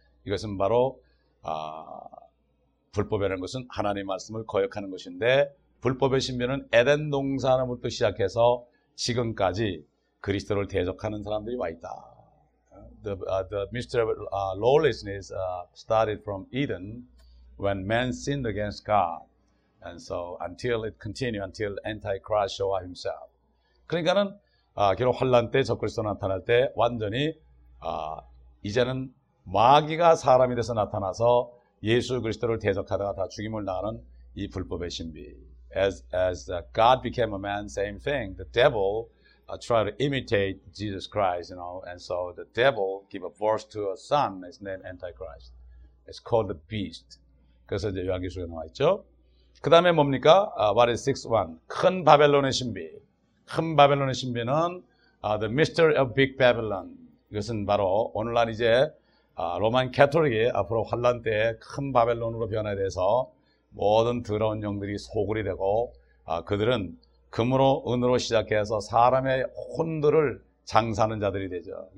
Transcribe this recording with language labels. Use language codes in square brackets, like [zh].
[ko] 이것은 바로 불법이라는 것은 하나님의 말씀을 거역하는 것인데 불법의 신비는 에덴 동산으로부터 시작해서 지금까지 그리스도를 대적하는 사람들이 와 있다. [en] The mystery of lawlessness started from Eden when man sinned against God. And so until it continued until Antichrist show himself. [ko] 그러니까는 결국 환란 때 적그리스도 나타날 때 완전히 이제는 마귀가 사람이 돼서 나타나서 예수 그리스도를 대적하다가 다 죽임을 당하는 이 불법의 신비. [en] As God became a man, same thing. The devil tried to imitate Jesus Christ, you know. And so the devil gave a birth to a son. His name Antichrist. It's called the beast. [ko] 그래서 이제 요한계시록에 나와 있죠. 그 다음에 뭡니까? [en] What is 6.1? [ko] 큰 바벨론의 신비. 큰 바벨론의 신비는 [en] the mystery of big Babylon. [ko] 이것은 바로 오늘날 이제 로만 가톨릭이 앞으로 환란 때 큰 바벨론으로 변화돼서 모든 더러운 영들이 소굴이 되고 그들은 금으로 은으로 시작해서 사람의 혼들을 장사하는 자들이 되죠.